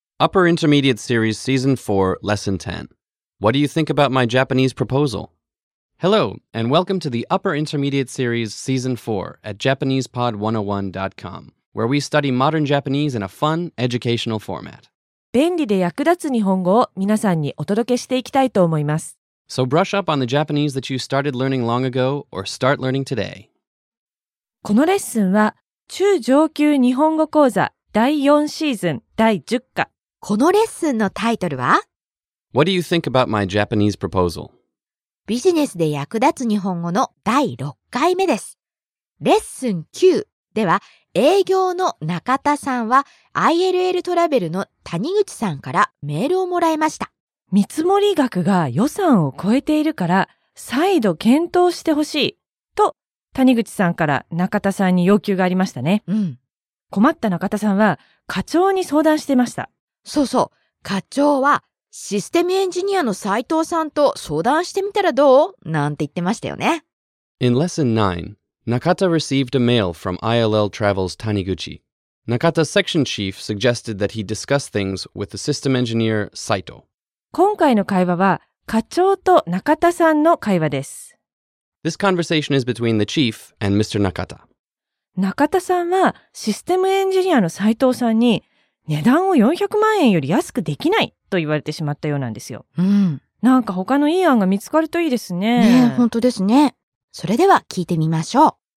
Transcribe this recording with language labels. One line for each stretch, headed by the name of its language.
English: Upper Intermediate Series Season 4, Lesson 10. What do you think about my Japanese proposal? Hello, and welcome to the Upper Intermediate Series Season 4 at JapanesePod101.com, where we study modern Japanese in a fun, educational format.
Japanese: 便利で役立つ日本語を皆さんにお届けしていきたいと思います。
English: So brush up on the Japanese that you started learning long ago or start learning today.
Japanese: このレッスンは中上級日本語講座第4シーズン第10課。このレッスンのタイトルは
English: What do you think about my Japanese proposal?
Japanese: ビジネスで役立つ日本語の第6回目です。レッスン9では営業の中田さんは ILL トラベルの谷口さんからメールをもらいました。見積額が予算を超えているから再度検討してほしい。谷口さんから中田さんに要求がありましたね。うん。困った中田さんは課長に相談してました。そうそう。課長はシステムエンジニアの斉藤さんと相談してみたらどう? なんて言ってましたよね。
English: In Lesson 9, Nakata received a mail from ILL Travel's Taniguchi. Nakata's section chief suggested that he discuss things with the system engineer, Saito.
Japanese: 今回の会話は課長と中田さんの会話です。
English: This conversation is between the chief and Mr. Nakata.
Japanese: Nakata さんはシステムエンジニアの斉藤さんに値段を400万円より安くできないと言われてしまったようなんですよ。うん。なんか他のいい案が見つかるといいですね。ね、本当ですね。それでは聞いてみましょう。